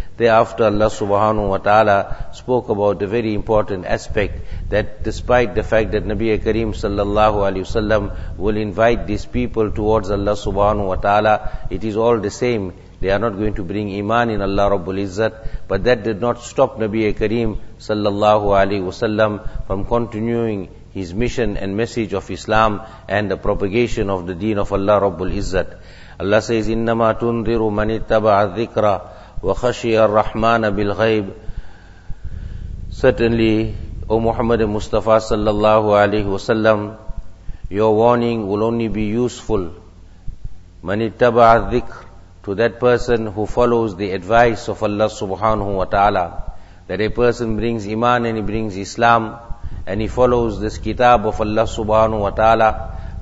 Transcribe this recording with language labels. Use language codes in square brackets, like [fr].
[en] Thereafter Allah subhanahu wa ta'ala spoke about a very important aspect, that despite the fact that Nabi Karim sallallahu alayhi wa sallam will invite these people towards Allah subhanahu wa ta'ala, it is all the same. They are not going to bring iman in Allah Rabbul Izzat. But that did not stop Nabi Kareem sallallahu alayhi wasallam from continuing his mission and message of Islam and the propagation of the deen of Allah Rabbul Izzat. Allah says, [ar] إِنَّمَا تُنذِرُ مَنِ اتَّبَعَ الذِّكْرَ وَخَشِيَ الرَّحْمَانَ بِالْغَيْبِ. [en] Certainly, O Muhammad and Mustafa sallallahu alayhi wasallam, your warning will only be useful. [ar] مَنِ اتَّبَعَ الذِّكْرَ, [en] to that person who follows the advice of Allah subhanahu wa ta'ala, that a person brings iman and he brings Islam, and he follows this kitab of Allah subhanahu wa ta'ala.